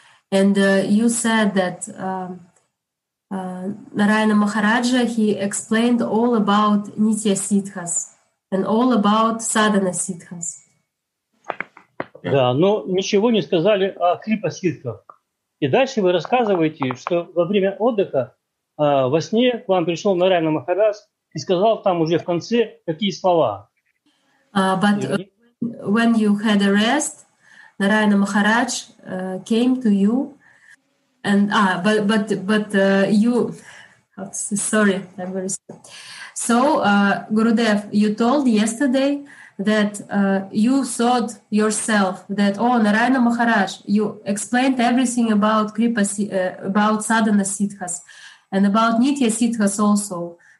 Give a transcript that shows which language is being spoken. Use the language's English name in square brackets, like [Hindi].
[English] And you said that Narayana Maharaja, he explained all about Nitya Siddhas and all about Sadhana Siddhas. [Russian] Да, но ничего не сказали о Крипа Ситхах. И дальше вы рассказываете, что во время отдыха во сне к вам пришел Нараяна Махарадж и сказал там уже в конце какие слова. [English] But when you had a rest, Нараяна Махарадж came to you and Gurudev, you told yesterday that you thought yourself that, oh, Narayana Maharaj, you explained everything about Kripa, about Sadhana Siddhas and about Nitya Siddhas also.